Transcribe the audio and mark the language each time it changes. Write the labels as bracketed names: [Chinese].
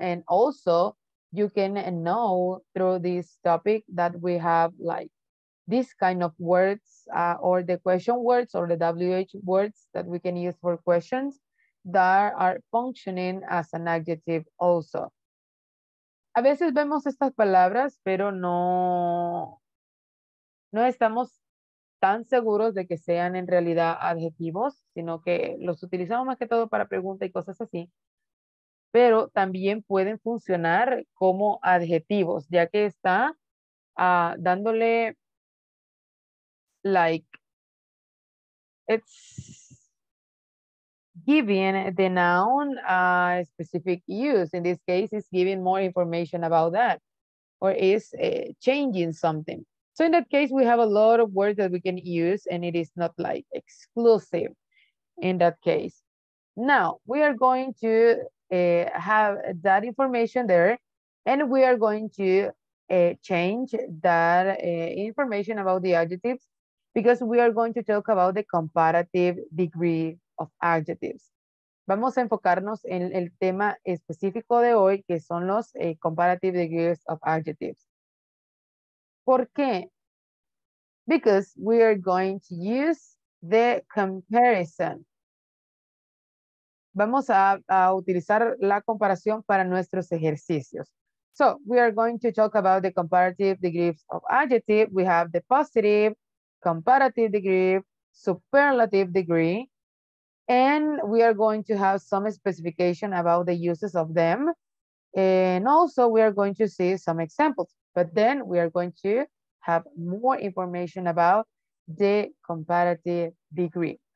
[English] And also you can know through this topic that we have like this kind of words or the question words or the WH words that we can use for questions that are functioning as an adjective also. [Spanish] A veces vemos estas palabras, pero no estamos tan seguros de que sean en realidad adjetivos, sino que los utilizamos más que todo para preguntas y cosas así. Pero también pueden funcionar como adjetivos, ya que está dándole, [English] like, it's giving the noun a specific use. In this case, it's giving more information about that, or is changing something. So in that case, we have a lot of words that we can use, and it is not, like, exclusive in that case. Now, we are going to have that information there, and we are going to change that information about the adjectives because we are going to talk about the comparative degree of adjectives. [Spanish] Vamos a enfocarnos en el tema específico de hoy, que son los [English] comparative degrees of adjectives. [Spanish] ¿Por qué? [English] Because we are going to use the comparison. [Spanish] Vamos a utilizar la comparación para nuestros ejercicios. [English] So, we are going to talk about the comparative degrees of adjective. We have the positive, comparative degree, superlative degree, and we are going to have some specification about the uses of them. And also, we are going to see some examples. But then, we are going to have more information about the comparative degree.